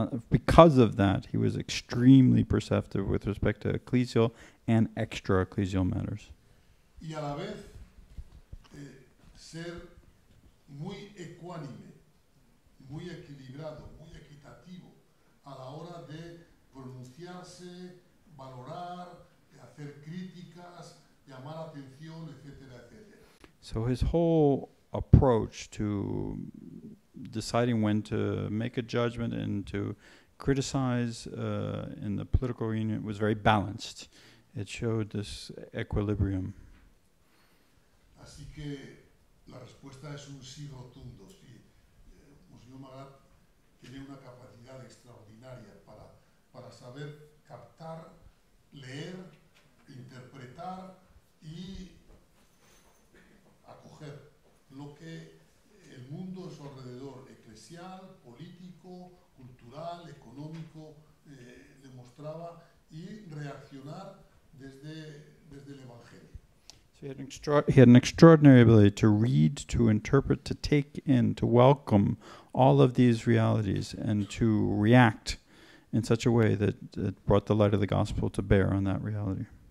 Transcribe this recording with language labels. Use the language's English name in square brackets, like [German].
[English] Because of that, he was extremely perceptive with respect to ecclesial and extra-ecclesial matters. [Spanish] Y a la vez, ser muy ecuánime, muy equilibrado, muy equitativo a la hora de pronunciarse, valorar, hacer críticas, llamar atención, etcétera, etcétera. [English] So his whole approach to deciding when to make a judgment and to criticize in the political arena was very balanced. It showed this equilibrium. [Spanish] Así que la respuesta es un sí rotundo. Sí. Monsignor McGrath tiene una capacidad extraordinaria para saber captar, leer, interpretar y acoger lo que el mundo a su alrededor, eclesial, político, cultural, económico, demostraba y reaccionar desde el Evangelio. [English] So he had an extraordinary ability to read, to interpret, to take in, to welcome all of these realities and to react in such a way that it brought the light of the gospel to bear on that reality.